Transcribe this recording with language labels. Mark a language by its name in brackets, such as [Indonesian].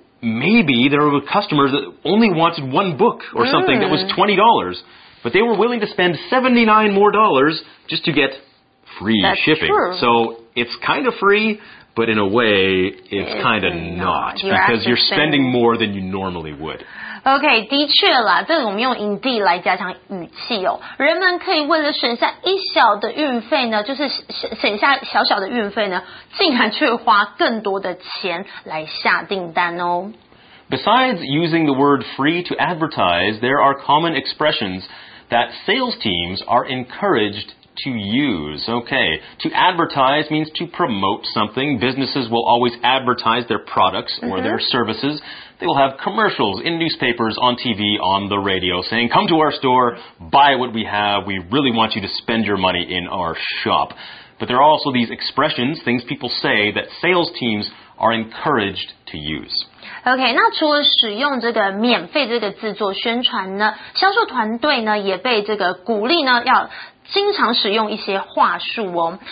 [English] Maybe there were customers that only wanted one book or something that was $20, but they were willing to spend $79 more just to get free That's shipping. True. So it's kind of free, but in a way, it's kind of not because you're spending more than you normally would. [Chinese] OK, 的确啦这个我们用 indeed 来加强语气哦。人们可以为了省下一小的运费呢就是省下小小的运费呢竟然却花更多的钱来下订单哦。 [English] Besides using the word free to advertise, there are common expressions that sales teams are encouraged to use. OK, to advertise means to promote something. Businesses will always advertise their products or their services. They will have commercials in newspapers, on TV, on the radio, saying, come to our store, buy what we have, we really want you to spend your money in our shop. But there are also these expressions, things people say that sales teams are encouraged to use. [Chinese] OK, 那除了使用这个免费这个字做宣传呢，销售团队呢也被这个鼓励呢要经常使用一些话术哦。